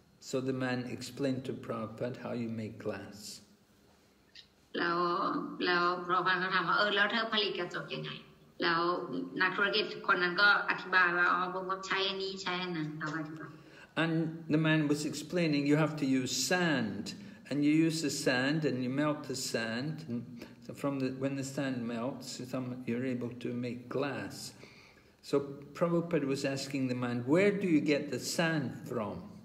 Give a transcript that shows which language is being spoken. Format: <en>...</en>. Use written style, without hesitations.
<en>So the man explained to Prabhupada how you make glass.</en> <th>แล้วพระพันธ์ก็ถามว่าแล้วเธอผลิตกระจกยังไงแล้วนักธุรกิจคนนั้นก็อธิบายว่าอ๋อผมก็ใช้อันนี้ใช้อันนั้นเอาไว้ก่อน</th> <en>And the man was explaining you have to use sand and you use the sand and you melt the sand and so from the when the sand melts you're able to make glass. So Prabhupada was asking the man where do you get the sand from?</en>